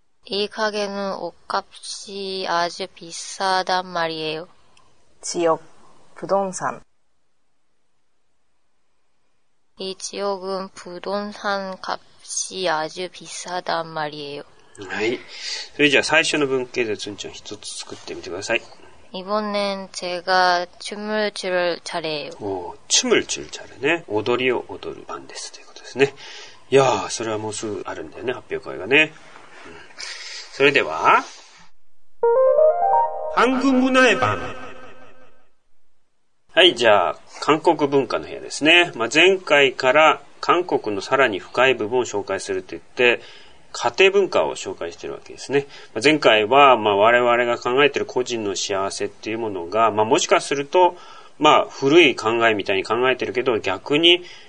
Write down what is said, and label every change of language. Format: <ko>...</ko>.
<ko>이가게는옷값이아주비싸단말이에요 지역부동산 이지역은부동산값이아주비싸단말이에요</ko> <ja>はい。それじゃあ最初の文型で順調一つ作ってみてください。</ja> <ko>이번엔제가춤을출차례예요。</ko> <ja>おお、</ja> <ko>춤을출차례</ko> <ja>ね。踊りを踊る番ですということですね。いやー、それはもうすぐあるんだよね、発表会がね。それでは韓国文化の部屋はいじゃあ韓国文化の部屋ですね、まあ、前回から韓国のさらに深い部分を紹介するといって家庭文化を紹介しているわけですね、まあ、前回はまあ我々が考えている個人の幸せっていうものが、まあ、もしかするとまあ古い考えみたいに考えているけど逆に</ja>